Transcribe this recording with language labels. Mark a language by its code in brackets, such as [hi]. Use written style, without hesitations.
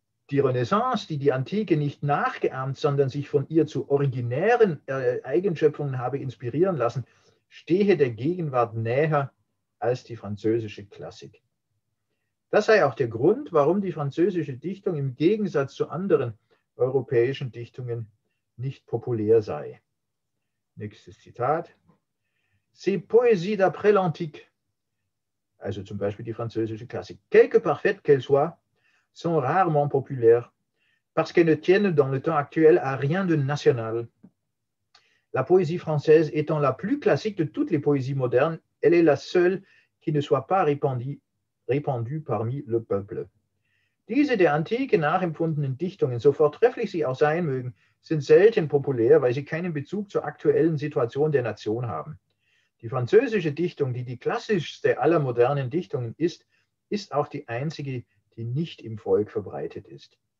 [de] Die Renaissance, die die Antike nicht nachgeahmt, sondern sich von ihr zu originären Eigenschöpfungen habe inspirieren lassen, stehe der Gegenwart näher als die französische Klassik. Das sei auch der Grund, warum die französische Dichtung im Gegensatz zu anderen europäischen Dichtungen nicht populär sei. Nächstes Zitat. [fr] C'est poésie d'après l'antique. [de] Also zum Beispiel die französische Klassik. [fr] Quelque parfaite qu'elle soit, sont rarement populaires, parce qu'elles ne tiennent dans le temps actuel à rien de national. La poésie française étant la plus classique de toutes les poésies modernes, elle est la seule qui ne soit pas répandue parmi le peuple. [de] Diese der Antike nachempfundenen Dichtungen, so vortrefflich sie auch sein mögen, sind selten populär, weil sie keinen Bezug zur aktuellen Situation der Nation haben. Die französische Dichtung, die die klassischste aller modernen Dichtungen ist, ist auch die einzige, die nicht im Volk verbreitet ist.